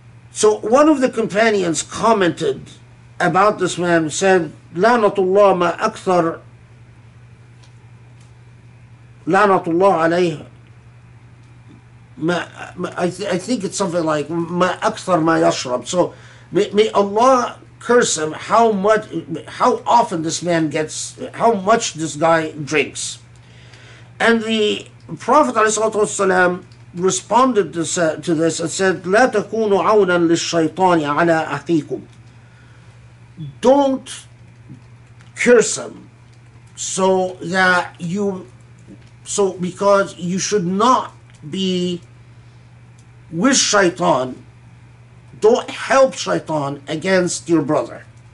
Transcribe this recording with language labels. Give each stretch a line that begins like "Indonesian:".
English: So one of the companions commented about this man, said,
Arabic: "La'natullah ma akthar la'natullah alayhi."
English: I think it's something like
Arabic: ma akthar ma yashrab.
English: So may Allah curse him, how much this guy drinks. And the Prophet ﷺ responded to this and said,
Arabic: لا تكونوا عونا للشيطان على أخيكم.
English: Don't curse him because you should not be with Shaitan, don't help Shaitan against your brother.